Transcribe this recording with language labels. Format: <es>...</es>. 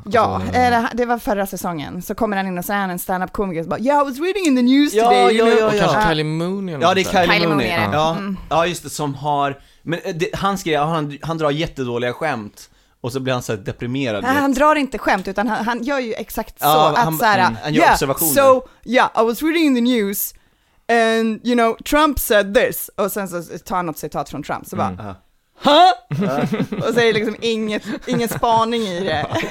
<sv>Ja, det var förra säsongen. Så kommer han in och säger en stand-up komiker och bara,</sv> <en>yeah, I was reading in the news today.</en> <sv>Kanske Kylie Mooney. Ja, det är Kylie Mooney. Ja, just det, som har... Men han drar jättedåliga skämt Och så blir han så här deprimerad. Nej, han drar inte skämt, utan han gör ju exakt så. Han gör observationer.</sv> <en>So, yeah, I was reading the news and, you know, Trump said this.</en> <sv>Och sen så tar han något citat från Trump. Så bara, huh? Och så är det liksom ingen spaning i det.</sv>